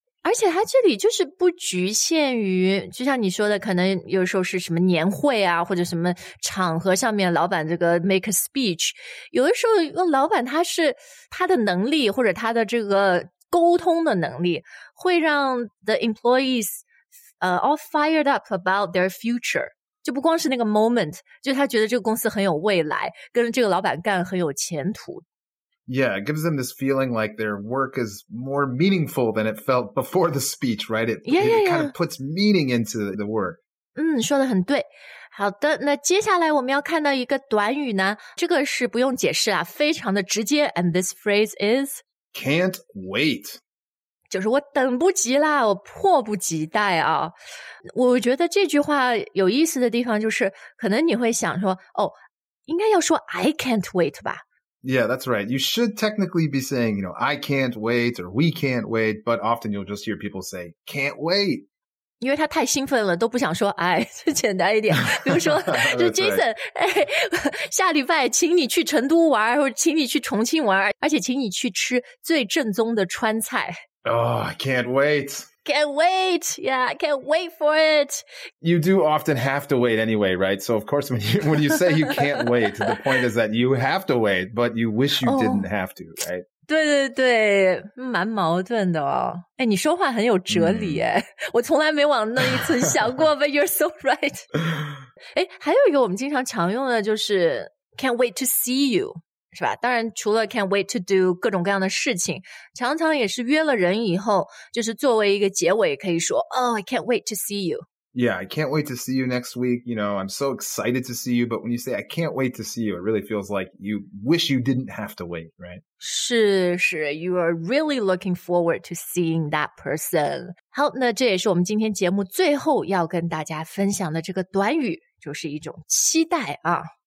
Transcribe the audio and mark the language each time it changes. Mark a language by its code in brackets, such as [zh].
[zh] 而且它这里就是不局限于就像你说的可能有时候是什么年会啊或者什么场合上面老板这个 [en] make a speech, [zh] 有的时候老板他是他的能力或者他的这个沟通的能力会让 [en] the employees, all fired up about their future, [zh] 就不光是那个 moment, 就他觉得这个公司很有未来跟这个老板干很有前途。 [en] Yeah, it gives them this feeling like their work is more meaningful than it felt before the speech, right? It kind of puts meaning into the work. [zh] 嗯，说得很对。好的，那接下来我们要看到一个短语呢，这个是不用解释啊，非常的直接。 [en] And this phrase is... Can't wait. [zh] 就是我等不及啦，我迫不及待啊。我觉得这句话有意思的地方就是，可能你会想说，哦，应该要说 [en] I can't wait [zh] 吧。 [en] Yeah, that's right. You should technically be saying, you know, I can't wait or we can't wait, but often you'll just hear people say, can't wait. [zh] 因为他太兴奋了都不想说哎，就简单一点，比如说就 Jason 哎，下礼拜请你去成都玩，或者请你去重庆玩，而且请你去吃最正宗的川菜。 [en] Oh, I can't wait Can't wait. Yeah, I can't wait for it. You do often have to wait anyway, right? So, of course, when you say you can't wait, the point is that you have to wait, but you wish you didn't have to, right? [zh] 对对对，蛮矛盾的哦。哎，你说话很有哲理哎，我从来没往那一层想过， [en] but you're so right. [zh] 哎，还有一个我们经常常用的就是 [en] can't wait to see you. [zh] 是吧？当然，除了 can't wait to do 各种各样的事情，常常也是约了人以后，就是作为一个结尾，可以说 [en] Oh, I can't wait to see you. Yeah, I can't wait to see you next week. You know, I'm so excited to see you. But when you say I can't wait to see you, it really feels like you wish you didn't have to wait, right? 是是 ，you are really looking forward to seeing that person. [zh] 好，那这也是我们今天节目最后要跟大家分享的这个短语，就是一种期待啊。